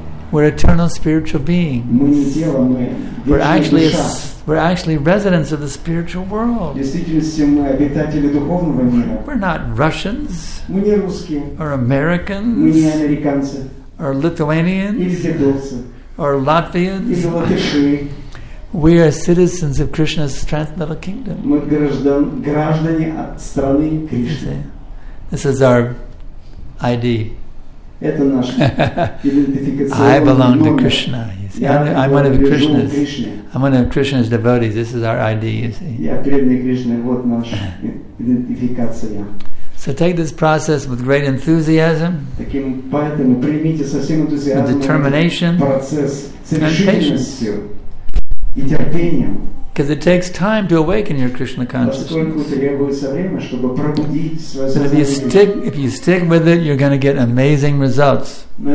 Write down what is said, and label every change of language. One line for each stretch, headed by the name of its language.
English: We're eternal spiritual beings. We're actually residents of the spiritual world. We're not Russians or Americans or Lithuanians or Latvians. We are citizens of Krishna's transcendental kingdom.
Russian: Граждане страны Кришны.
English: This is our ID.
Russian: Это наш идентификационный.
English: I belong to Krishna. You see, I'm one of Krishna's. I'm one of Krishna's devotees. This is our ID. You see.
Russian: Я преданный Кришне. Вот наш идентификация.
English: So take this process with great enthusiasm.
Russian: Таким поэтому примите со всем энтузиазмом.
English: With determination.
Russian: Процесс с решимостью.
English: Because it takes time to awaken your Krishna consciousness. But if you stick with it, you're going to get amazing results.